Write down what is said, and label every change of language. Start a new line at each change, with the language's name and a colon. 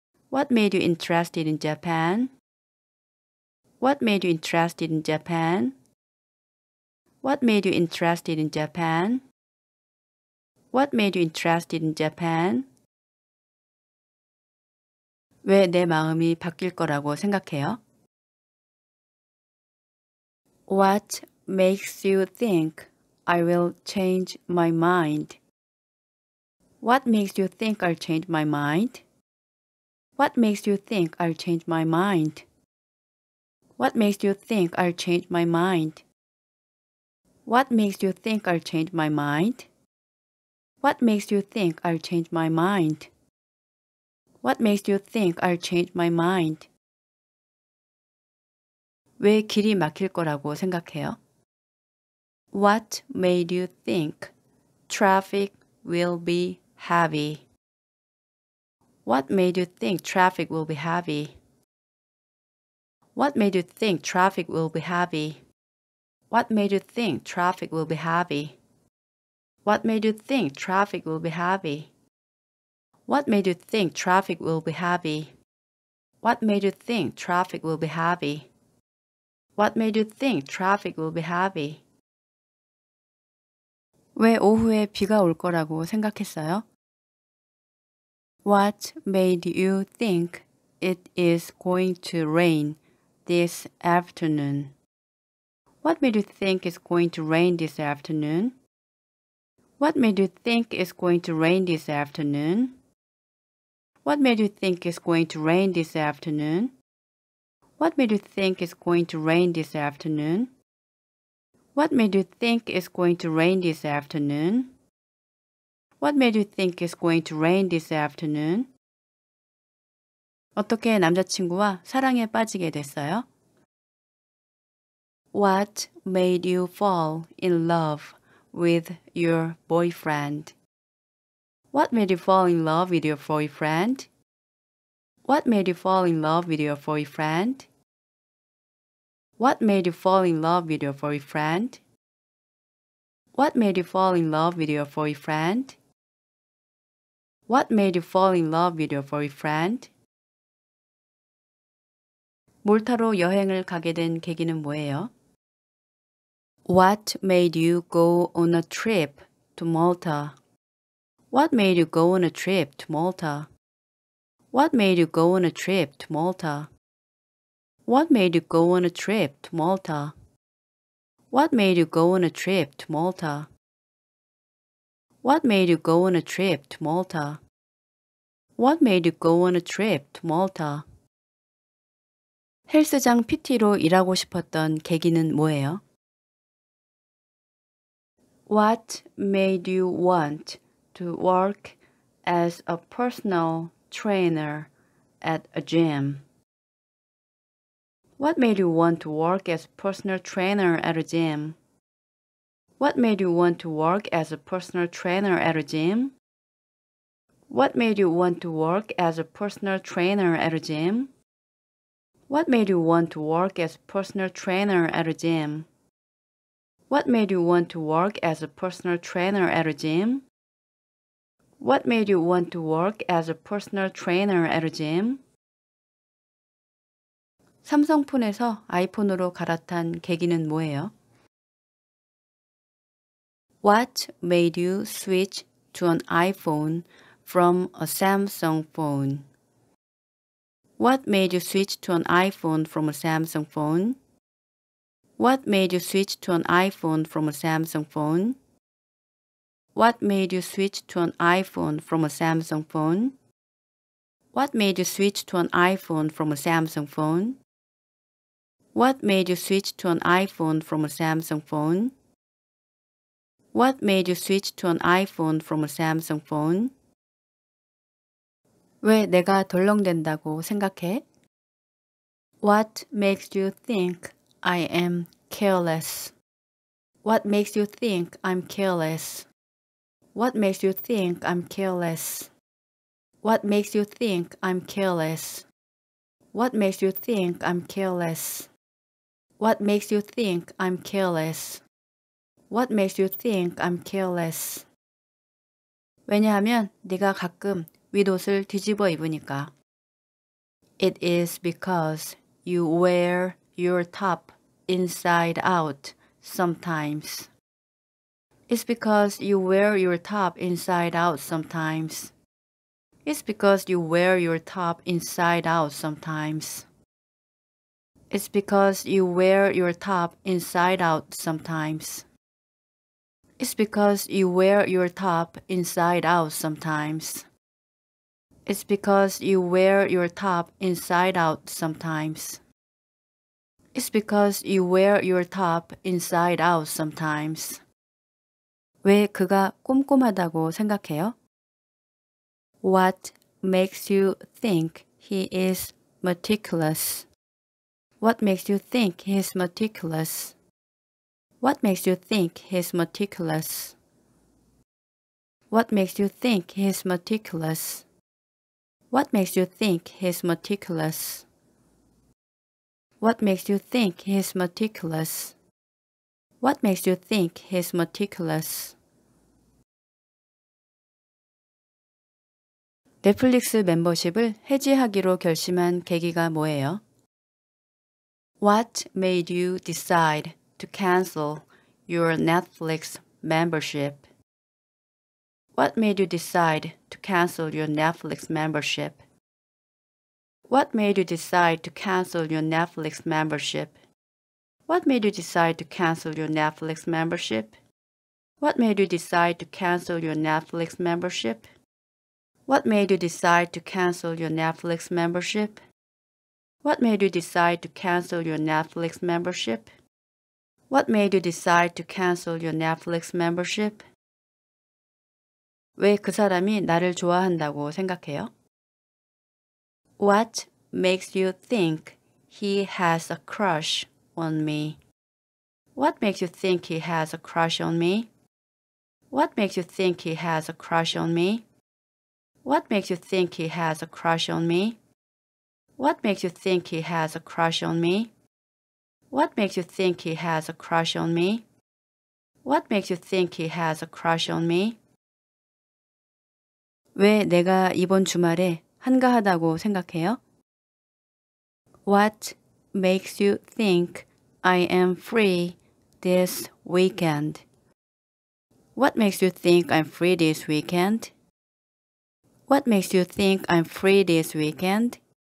English: What made you interested in Japan? What made you interested in Japan? What made you interested in Japan? What made you interested in Japan?
Korean: 왜 내 마음이 바뀔 거라고 생각해요?
English: What makes you think I will change my mind? What makes you think I'll change my mind? What makes you think I'll change my mind? What makes you think I'll change my mind? What makes you think I'll change my mind? What makes you think I'll change my mind? What makes you think I'll change my mind?
Korean: 왜 길이 막힐 거라고 생각해요?
English: What made you think traffic will be heavy? What made you think traffic will be heavy? What made you think traffic will be heavy? What made you think traffic will be heavy? What made you think traffic will be heavy? What made you think traffic will be heavy? What made you think traffic will be heavy? What made you think traffic will be heavy?
Korean: 왜 오후에 비가 올 거라고 생각했어요?
English: What made you think it is going to rain this afternoon? What made you think it's going to rain this afternoon? What made you think it's going to rain this afternoon? What made you think it's going to rain this afternoon? What made you think it's going to rain this afternoon? What made you think it's going to rain this afternoon? What made you think it's going to rain this afternoon?
Korean: 어떻게 남자친구와 사랑에 빠지게 됐어요?
English: What made you fall in love with your boyfriend? What made you fall in love with your boyfriend? What made you fall in love with your boyfriend? What made you fall in love with your boyfriend? What made you fall in love with your boyfriend? What made you fall in love with your boyfriend?
Korean: 몰타로 여행을 가게 된 계기는 뭐예요?
English: What made you go on a trip to Malta? What made you go on a trip to Malta? What made you go on a trip to Malta? What made you go on a trip to Malta? What made you go on a trip to Malta? What made you go on a trip to Malta? What made you go on a trip to Malta?
Korean: 헬스장 PT로 일하고 싶었던 계기는 뭐예요?
English: What made you want to work as a personal trainer at a gym? What made you want to work as a personal trainer at a gym? What made you want to work as a personal trainer at a gym? What made you want to work as a personal trainer at a gym? What made you want to work as a personal trainer at a gym? What made you want to work as a personal trainer at a gym? What made you want to work as a personal trainer at a gym?
Korean: 삼성폰에서 아이폰으로 갈아탄 계기는 뭐예요?
English: What made you switch to an iPhone from a Samsung phone? What made you switch to an iPhone from a Samsung phone? What made you switch to an iPhone from a Samsung phone? What made you switch to an iPhone from a Samsung phone? What made you switch to an iPhone from a Samsung phone? What made you switch to an iPhone from a Samsung phone? What made you switch to an iPhone from a Samsung phone?
Korean: 왜 내가 덜렁댄다고 생각해?
English: What makes you think I am careless? What makes you think I'm careless? What makes you think I'm careless? What makes you think I'm careless? What makes you think I'm careless? What makes you think I'm careless? What makes you think I'm careless?
Korean: 왜냐하면 네가 가끔 윗옷을 뒤집어 입으니까.
English: It is because you wear your top inside out sometimes. It's because you wear your top inside out sometimes. It's because you wear your top inside out sometimes. It's because you wear your top inside out sometimes. It's because you wear your top inside out sometimes. It's because you wear your top inside out sometimes. It's because you wear your top inside out sometimes.
Korean: 왜 그가 꼼꼼하다고 생각해요?
English: What makes you think he is meticulous? What makes you think he is meticulous? What makes you think he is meticulous? What makes you think he is meticulous? What makes you think he is meticulous? What makes you think he is meticulous? What makes you think he is meticulous?
Korean: 넷플릭스 멤버십을 해지하기로 결심한 계기가 뭐예요?
English: What made you decide to cancel your Netflix membership? What made you decide to cancel your Netflix membership? What made you decide to cancel your Netflix membership? What made you decide to cancel your Netflix membership? What made you decide to cancel your Netflix membership? What made you decide to cancel your Netflix membership? What made you decide to cancel your Netflix membership? What made you decide to cancel your Netflix membership?
Korean: 왜 그 사람이 나를 좋아한다고 생각해요?
English: What makes you think he has a crush on me? What makes you think he has a crush on me? What makes you think he has a crush on me? What makes you think he has a crush on me? What makes you think he has a crush on me? What makes you think he has a crush on me? What makes you think he has a crush on me?
Korean: 왜 내가 이번 주말에 한가하다고 생각해요?
English: What makes you think I am free this weekend? What makes you think I'm free this weekend? What makes you think I'm free this weekend?